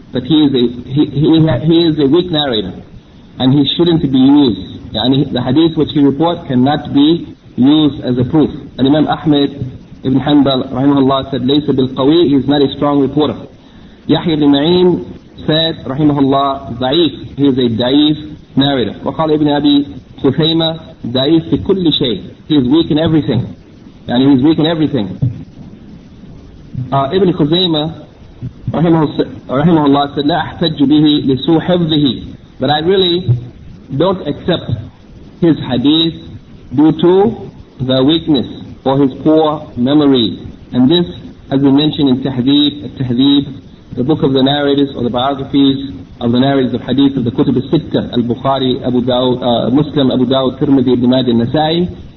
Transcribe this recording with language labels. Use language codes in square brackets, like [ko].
[en] That he is a weak narrator, and he shouldn't be used. Yani the hadith which he reports cannot be used as a proof. And Imam Ahmed ibn Hanbal, rahimahullah, said, [ar] "Laysa bil qawi," [en] he is not a strong reporter. Yahya ibn Ma'in said, rahimahullah, "Da'if," he is a da'if narrator. [ar] وقال ابن أبي خثيمة, "Da'if في كل شيء," [en] he is weak in everything. And he is weak in everything. [ar] Ibn Khuzaymah, rahimahullah, [en] said, [ar] "لا أحتج به لسوء حفظه." [en] But I really don't accept his hadith due to the weakness or his poor memory. And this has been mentioned in Tahdhib, the book of the narrators or the biographies of the narrators of hadith of the Kutub al-Sittah, al-Bukhari, Abu Dawud, Muslim, Abu Dawud, Tirmidhi, Ibn Majah, Nasa'i.